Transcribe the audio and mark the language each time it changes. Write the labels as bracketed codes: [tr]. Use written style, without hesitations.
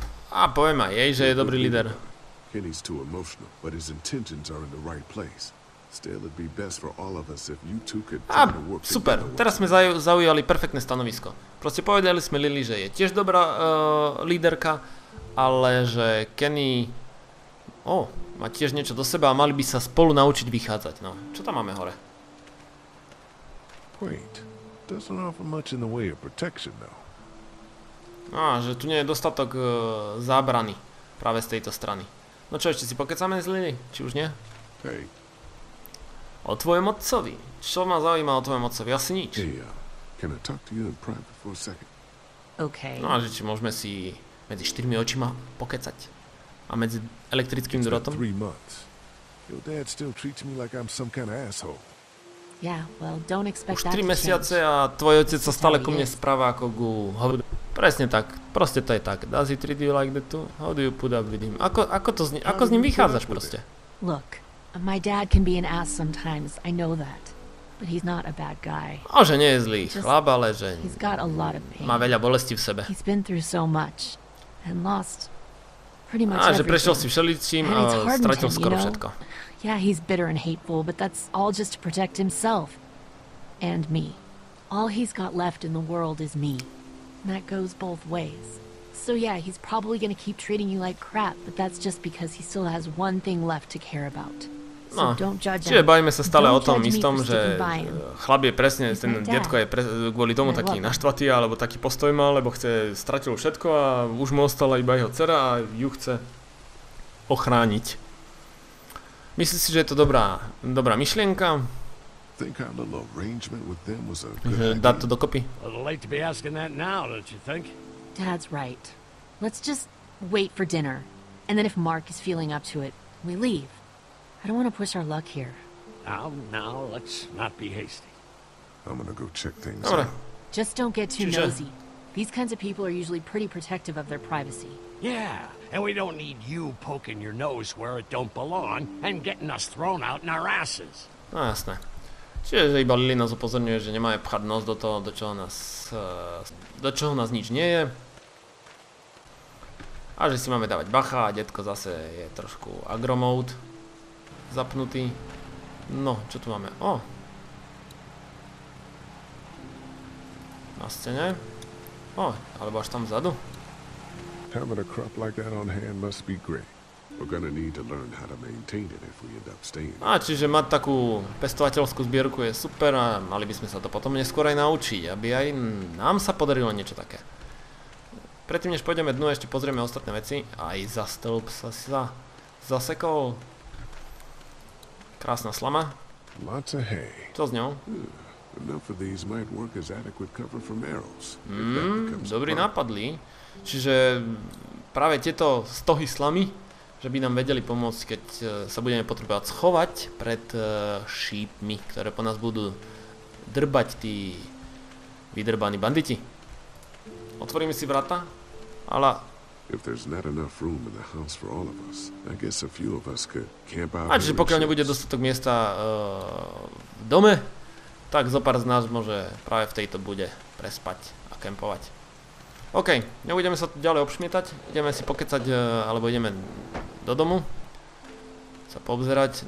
[sk] A poviem aj jej, že je dobrý líder. [en] Kenny's too emotional, but his intentions are in the right place. Still, it'd be best for all of us if you two could try to work. [sk] Super, teraz sme zaujali perfektné stanovisko. Proste povedali sme Lily, že je tiež dobrá líderka, ale že Kenny má tiež niečo do seba a mali by sa spolu naučiť vychádzať. No, čo tam máme hore? [en] Quaint. Doesn't offer much in the way of protection, though. [sk] No, že tu nie je dostatok zábrany práve z tejto strany. No čo, ešte si pokecáme z Lily? Či už nie? [en] Hey. [sk] O tvojom otcovi. Čo ma zaujíma o tvojom otcovi? Asi nič. [en] Hey, can I talk to you in private for a second? Okay. [sk] No a že či môžeme si medzi štyrmi očima pokecať? A medzi elektrickým drôtom? [en] It's been 3 months. Your dad still treats me like I'm some kind of asshole. Yeah, well, don't expect [sk] už 3 mesiace a tvoj otec sa stále ku mne správa ako ku hovedu. Presne tak, proste to je tak. [en] Does he treat you like that too? How do you put up with him? [sk] Ako s ním vychádzaš proste? [en] Look, my dad can be an ass sometimes, I know that. But he's not a bad guy. [sk] No, že nie je zlý chlap, ale že má veľa bolesti v sebe. [en] He's been through so much and lost pretty much everything. [sk] Že prešiel si všeličím a stratil skoro všetko. [en] Yeah, he's bitter and hateful, but that's all just to protect himself and me. All he's got left in the world is me. And that goes both ways. So yeah, he's probably gonna keep treating you like crap, but that's just because he still has one thing left to care about. So don't judge him. [sk] Čiže bavíme sa stále o tom istom, že chlap je presne, ten detko je kvôli tomu taký naštvatý, alebo taký postoj mal, lebo chce, stratil všetko a už mu ostala iba jeho dcera a ju chce ochrániť. Myslíš si, že je to dobrá myšlienka? [en] Think our little arrangement with them was a good idea. [sk] Dá to dokopy? [en] A little late to be asking that now, don't you think? Dad's right. Let's just wait for dinner. And then if Mark is feeling up to it, we leave. I don't want to push our luck here. Now, let's not be hasty. I'm gonna go check things out. Just don't get too nosy. These kinds of people are usually pretty protective of their privacy. Yeah, and we don't need you poking your nose where it don't belong and getting us thrown out in our asses. [sk] No jasné. Čiže iba Lily nás upozorňuje, že nemá pchať nos do toho, do čoho nás nič nie je. A že si máme dávať bacha a detko zase je trošku agro mode zapnutý. No, čo tu máme? O! Na stene. O, alebo až tam vzadu. [en] Having a crop like that on hand must be great. We're gonna need to learn how to maintain it if we end up staying. [sk] A čiže mať takú pestovateľskú zbierku je super a mali by sme sa to potom neskôr aj naučiť, aby aj nám sa podarilo niečo také. Predtým než pôjdeme dnu, ešte pozrieme ostatné veci. Aj za stĺp sa si zasekol. Krásna slama. [en] Lots of hay. [sk] Čo s ňou? [en] Enough of these might work as adequate cover for marrows. [sk] Dobrý nápad, Lee. Čiže práve tieto stohy slamy, že by nám vedeli pomôcť, keď sa budeme potrebovať schovať pred šípmi, ktoré po nás budú drbať tí vydrbaní banditi. Otvoríme si vrata, ale... [en] If there's not enough room in the house for all of us, I guess a few of us could camp out... [sk] A čiže pokiaľ nebude dostatok miesta v dome, tak zopár z nás môže práve v tejto bude prespať a kempovať. OK, nebudeme sa tu ďalej obšmietať, ideme si pokecať, alebo ideme do domu sa poobzerať.